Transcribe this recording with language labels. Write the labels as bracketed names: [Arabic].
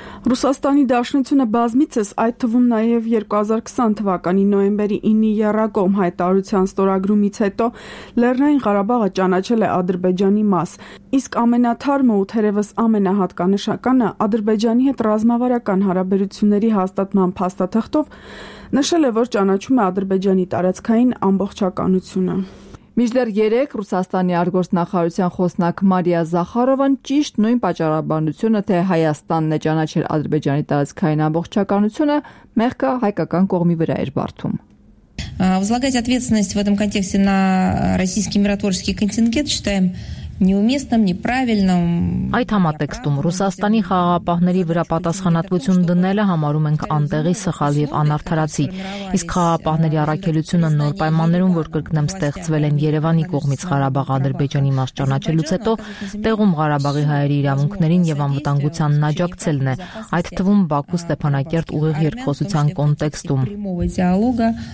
[Armenian] Ռուսաստանի Դաշնությունը բազմիցս, այդ թվում նաև 2020 թվականի նոյեմբերի 9-ի Եռակողմ հայտարարության ստորագրումից հետո, Լեռնային Ղարաբաղը ճանաչել է Ադրբեջանի մաս, իսկ ամենաթարմը ու թերևս ամենահատկանշականը Ադրբեջանի հետ ռազմավարական հարաբերությունների հաստատման փաստաթղթով նշել է, որ ճանաչում է Ադրբեջանի տարածքային ամբողջականությունը։ Մինչդեռ 3 Ռուսաստանի արտգործնախարարության խոսնակ Մարիա Զախարովան ճիշտ նույն պատճառաբանությունը, թե Հայաստանն է ճանաչել Ադրբեջանի տարածքային ամբողջականությունը, մեղքը հայկական կողմի վրա էր բարդում։ [Russian] Возлагать ответственность в этом контексте на российский миротворческий контингент считаем неуместным, неправильным. [Armenian] Այդ համատեքստում Ռուսաստանի խաղաղապահների վրա պատասխանատվություն դնելը համարում ենք անտեղի, սխալ և անարդարացի, իսկ խաղաղապահների առաքելությունը նոր պայմաններում, որ կրկնեմ, ստեղծվել են Երևանի կողմից Ղարաբաղ-Ադրբեջանի մաս ճանաչելուց հետո, տեղում Ղարաբաղի հայերի իրավունքներին և անվտանգությանն աջակցելն է, այդ թվում Բաքու Ստեփանակերտ ուղիղ երկխոսության կոնտեքստում։